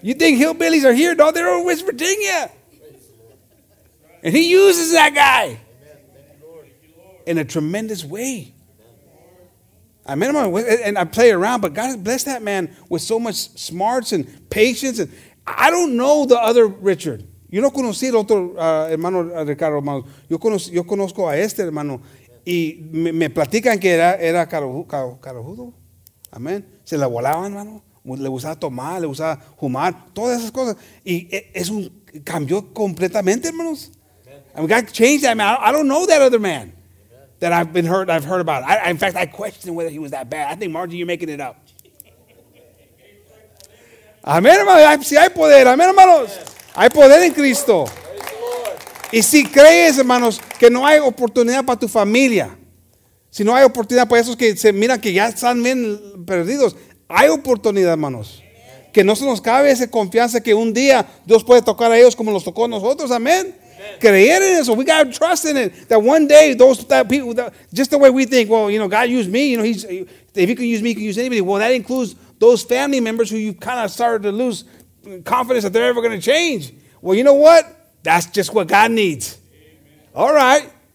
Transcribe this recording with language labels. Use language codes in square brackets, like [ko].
[en] You think hillbillies are here? No, they're in West Virginia. And he uses that guy in a tremendous way. I mean, I play around, but God has blessed that man with so much smarts and patience. And I don't know the other Richard. [es] Yo no conocí el otro hermano Ricardo, hermano. Yo conozco a este hermano. Y me platican que era carajudo. Amén. Se la volaban, hermano. Le gustaba tomar, le gustaba fumar. Todas esas cosas. Y es un cambió completamente, hermanos. [en] I mean, God changed that man. I don't know that other man that I've heard about. In fact, I question whether he was that bad. I think, Margie, you're making it up. [es] Amén, hermano. Si hay poder. Amén, hermanos. Hay poder en Cristo. Y si crees, hermanos, que no hay oportunidad para tu familia, si no hay oportunidad para esos que se miran que ya están bien perdidos, hay oportunidad, hermanos. Amen. Que no se nos cabe esa confianza que un día Dios puede tocar a ellos como los tocó a nosotros. Amén. Creer en eso. [en] We got trust in it. That one day, just the way we think, well, you know, God used me. You know, if he can use me, he can use anybody. Well, that includes those family members who you kind of started to lose confidence that they're ever going to change. Well, you know what? That's just what God needs. Amen. All right.